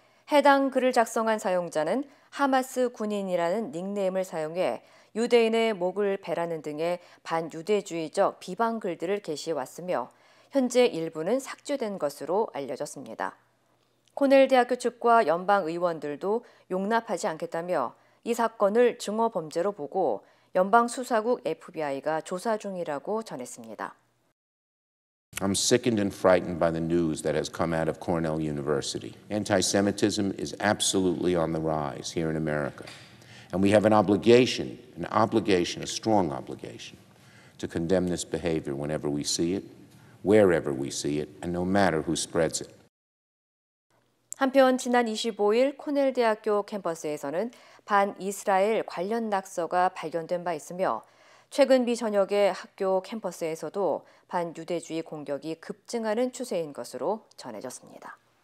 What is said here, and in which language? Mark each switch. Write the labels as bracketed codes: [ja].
[ko] 해당 글을 작성한 사용자는 하마스 군인이라는 닉네임을 사용해 유대인의 목을 베라는 등의 반유대주의적 비방 글들을 게시해 왔으며 현재 일부는 삭제된 것으로 알려졌습니다. 코넬 대학교 측과 연방 의원들도 용납하지 않겠다며 이 사건을 증오 범죄로 보고 연방 수사국 FBI가 조사 중이라고 전했습니다. [en] I'm sickened and frightened by the news that has come out of Cornell University. Anti-Semitism is absolutely on the rise here in America. And we have a strong obligation to condemn this behavior whenever we see it, wherever we see it, and no matter who spreads it. [ko] 한편 지난 25일 코넬 대학교 캠퍼스에서는 반이스라엘 관련 낙서가 발견된 바 있으며 최근 미 전역의 학교 캠퍼스에서도 반유대주의 공격이 급증하는 추세인 것으로 전해졌습니다.